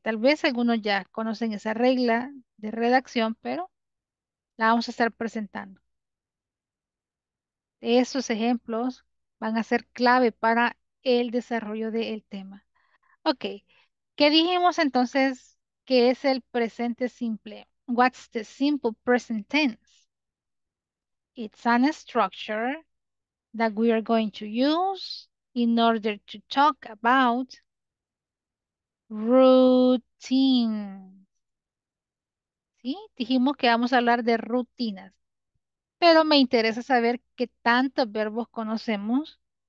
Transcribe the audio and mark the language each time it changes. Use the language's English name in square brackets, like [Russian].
[Spanish] Tal vez algunos ya conocen esa regla de redacción, pero la vamos a estar presentando. Esos ejemplos van a ser clave para el desarrollo del tema. Ok. ¿Qué dijimos entonces que es el presente simple? [English] What's the simple present tense? It's a structure that we are going to use in order to talk about routine. [Spanish] ¿Sí? Dijimos que vamos a hablar de rutinas. Pero me interesa saber qué tantos verbos conocemos.